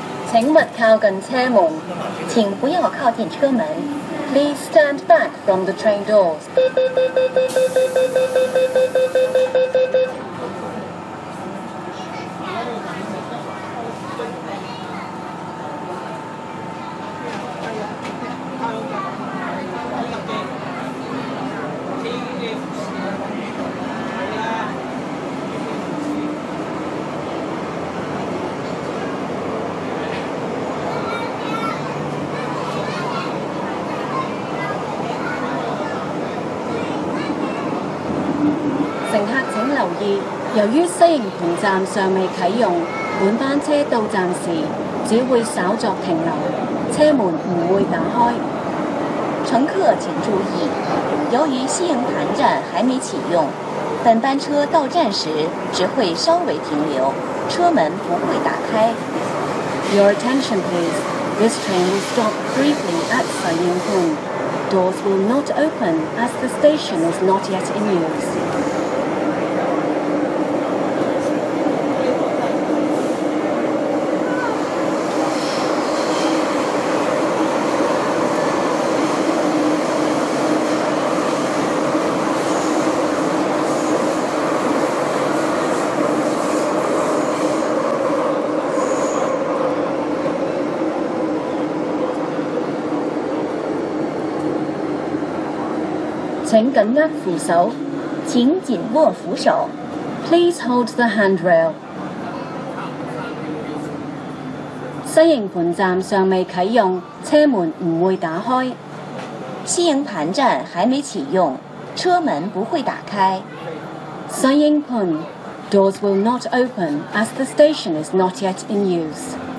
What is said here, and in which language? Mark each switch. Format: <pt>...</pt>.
<zh>请勿靠近车门，请不要靠近车门。</zh> <en>Please stand back from the train doors.</en> <zh>乘客请留意，由于西营盘站尚未启用，本班车到站时只会稍作停留，车门不会打开。乘客请注意，由于西营盘站还没启用，本班车到站时只会稍微停留，车门不会打开。</zh> <en>Your attention please. This train will stop briefly at Sanyang Hong. Doors will not open as the station is not yet in use.</en> <zh>请紧握扶手，请紧握扶手。</zh> <en>Please hold the handrail.</en> <zh>西营盘站尚未启用，车门不会打开。西营盘站还没启用，车门不会打开。</zh> <en>西营盘 doors will not open as the station is not yet in use.</en>